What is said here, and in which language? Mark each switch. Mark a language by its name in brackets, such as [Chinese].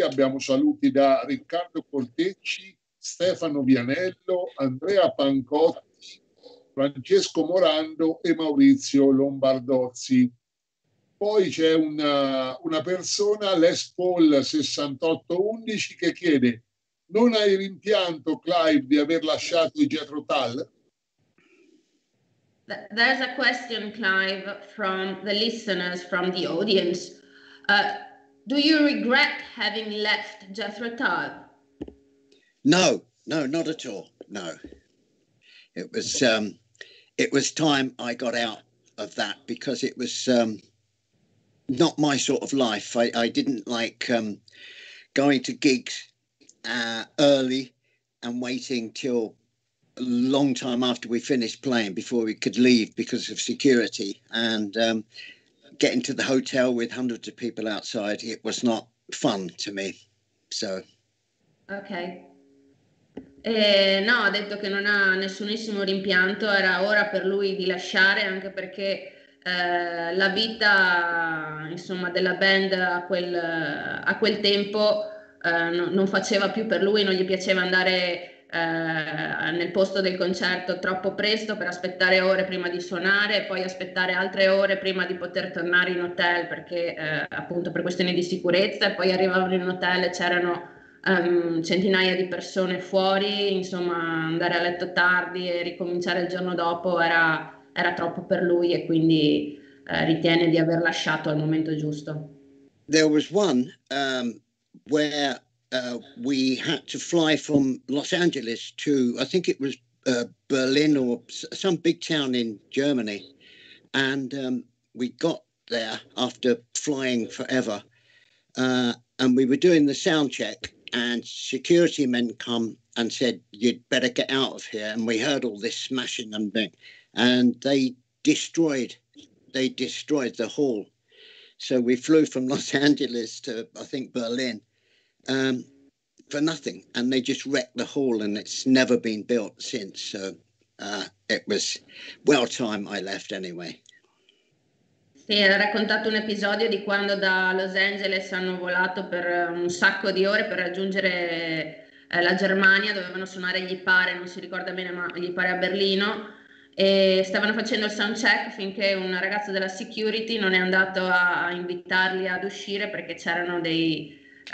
[Italian] Abbiamo saluti da Riccardo Cortecci, Stefano Vianello, Andrea Pancotti, Francesco Morando e Maurizio Lombardozzi. Poi c'è una persona, Les Paul 6811, che chiede: non hai rimpianto, Clive, di aver lasciato il Jethro Tull? [English] There's a question, Clive, from the listeners, from the audience. Do you regret having left Jethro Tull? No, not at all, no. It was time I got out of that because it was not my sort of life. I didn't like going to gigs early and waiting till a long time after we finished playing before we could leave because of security, and getting to the hotel with hundreds of people outside, it was not fun to me. So okay. [Italian] Ha detto che non ha nessunissimo rimpianto, era ora per lui di lasciare, anche perché la vita, insomma, della band a quel tempo non faceva più per lui, non gli piaceva andare nel posto del concerto troppo presto per aspettare ore prima di suonare e poi aspettare altre ore prima di poter tornare in hotel, perché appunto per questioni di sicurezza, e poi arrivavano in hotel e c'erano centinaia di persone fuori, insomma andare a letto tardi e ricominciare il giorno dopo era troppo per lui, e quindi ritiene di aver lasciato al momento giusto. [English] There was one where we had to fly from Los Angeles to, I think it was Berlin or some big town in Germany, and we got there after flying forever, and we were doing the sound check, and security men come and said, you'd better get out of here, and we heard all this smashing and bang, and they destroyed the hall. So we flew from Los Angeles to, I think, Berlin for nothing. And they just wrecked the hall, and it's never been built since. So it was well time I left anyway. [Italian] Sì, ha raccontato un episodio di quando da Los Angeles hanno volato per un sacco di ore per raggiungere la Germania, dovevano suonare, gli pare, non si ricorda bene, ma gli pare a Berlino. E stavano facendo il sound check finché un ragazzo della security non è andato a invitarli ad uscire, perché c'erano dei